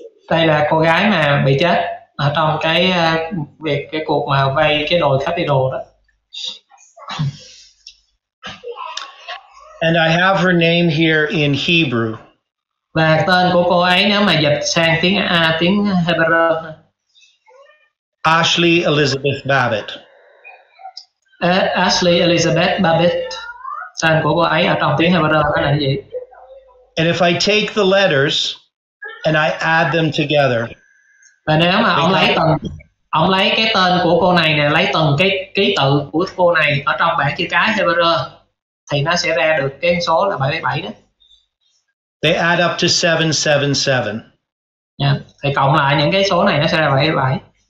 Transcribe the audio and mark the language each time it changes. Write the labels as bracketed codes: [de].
[vi] Đây là cô gái mà bị chết ở trong cái việc cái cuộc mà vay cái đồ khách đi đồ đó. [en] And I have her name here in Hebrew. [vi] Và tên của cô ấy nếu mà dịch sang tiếng Hebrew. [en] Ashley Elizabeth Babbitt. Ashley Elizabeth Babbitt. [vi] Tên của cô ấy ở trong tiếng Hebrew đó là gì? [en] And if I take the letters and I add them together. [vi] Và nếu mà ông lấy cái tên của cô này nè, lấy từng cái ký tự của cô này ở trong bảng chữ cái Hebrew thì nó sẽ ra được cái số là 77 đó. [en] They add up to 777. Yeah. [vi] Thì cộng lại những cái số này nó sẽ ra 77.